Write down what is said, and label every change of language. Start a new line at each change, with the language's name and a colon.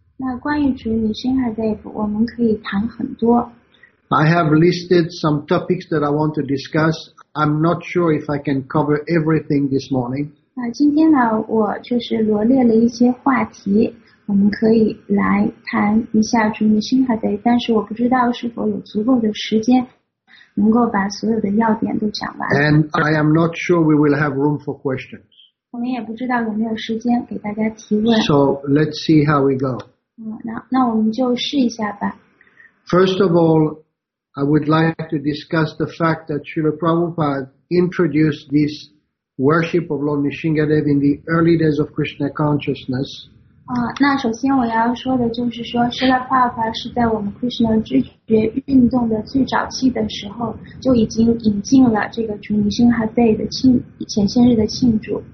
Chinese: 那关于主女星海贝夫，我们可以谈很多。
English: I have listed some topics that I want to discuss. I'm not sure if I can cover everything this morning.
Chinese: 那今天呢，我就是罗列了一些话题，我们可以来谈一下主女星海贝夫，但是我不知道是否有足够的时间能够把所有的要点都讲完。
English: And I am not sure we will have room for questions.
Chinese: 我们也不知道有没有时间给大家提问。
English: So let's see how we go.
Chinese: 那我们就试一下吧。
English: First of all, I would like to discuss the fact that Srila Prabhupada introduced this worship of Lord Nrisimhadev in the early days of Krishna consciousness.
Chinese: 那首先我要说的就是说 Srila Prabhupada 是在我们 Krishna 知觉运动的最早期的时候就已经引进了这个主 Nrisimhadev 的前些日的庆祝。